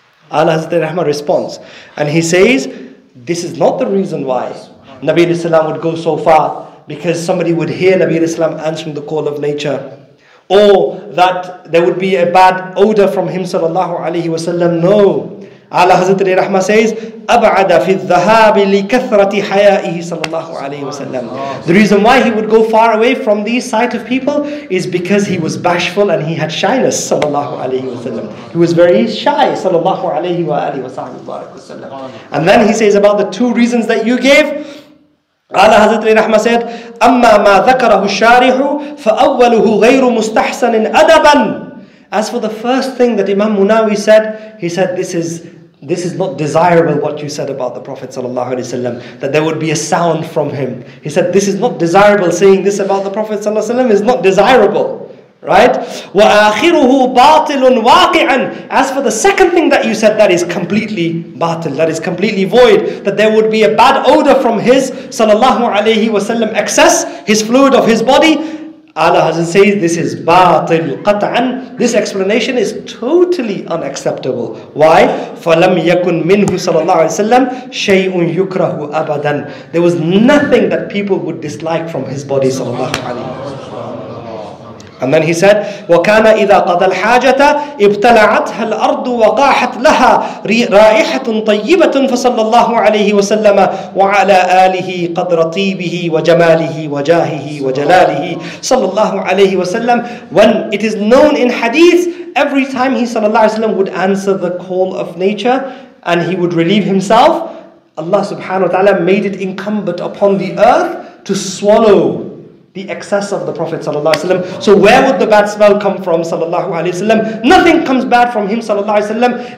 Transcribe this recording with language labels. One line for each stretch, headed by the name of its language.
English: Ala Hazrat Ali Rahma responds. And he says, this is not the reason why Nabi al-Islam would go so far, because somebody would hear Nabi al-Islam answering the call of nature, or that there would be a bad odor from him sallallahu alayhi wa sallam. No.
Arabic: Ala Hazrat Ali Rahma says, أَبْعَدَ فِي الذَّهَابِ لِكَثْرَةِ حَيَائِهِ صلى الله عليه وسلم.
English: The reason why he would go far away from the sight of people is because he was bashful and he had shyness,
Arabic: صلى الله عليه وسلم.
English: He was very shy,
Arabic: صلى الله عليه وآله وسلم.
English: And then he says about the two reasons that you gave.
Arabic: Ala Hazrat Ali Rahma said, أَمَّا مَا ذَكَرَهُ الشَّارِحُ فَأَوَّلُهُ غَيْرُ مُسْتَحْسَنٍ أَدَبًا.
English: As for the first thing that Imam Munawi said, he said, this is not desirable what you said about the Prophet sallallahu alaihi wasallam, that there would be a sound from him. He said, this is not desirable, saying this about the Prophet sallallahu alaihi wasallam is not desirable, right?
Arabic: وَآخِرُهُ بَاطِلٌ وَاقِعًا.
English: As for the second thing that you said, that is completely batil, that is completely void, that there would be a bad odor from his sallallahu alaihi wasallam excess, his fluid of his body. Ala Hazrat says, this is batil qat'an. This explanation is totally unacceptable. Why?
Arabic: فَلَمْ يَكُنْ مِنْهُ صَلَى اللَّهُ عَلَيْهِ وَسَلَّمْ شَيْءٌ يُكْرَهُ أَبَدًا.
English: There was nothing that people would dislike from his body,
Arabic: صلى الله عليه وسلم.
English: And then he said,
Arabic: وَكَانَ إِذَا قَضَى الْحَاجَةَ إِبْتَلَعَتْهَا الْأَرْضُ وَقَاحَتْ لَهَا رَائِحَةٌ طَيِّبَةٌ فَصَلَّى اللَّهُ عَلَيْهِ وَسَلَّمَ وَعَلَى آلِهِ قَدْرَ طِيبِهِ وَجَمَالِهِ وَجَاهِهِ وَجَلَالِهِ صَلَّى اللَّهُ عَلَيْهِ وَسَلَّمَ.
English: When it is known in hadith, every time he sallallahu alayhi wa sallam would answer the call of nature and he would relieve himself, Allah subhanahu wa ta'ala made it incumbent upon the earth to swallow the excess of the Prophet sallallahu alaihi wasallam. So where would the bad smell come from, sallallahu alaihi wasallam? Nothing comes bad from him, sallallahu alaihi wasallam.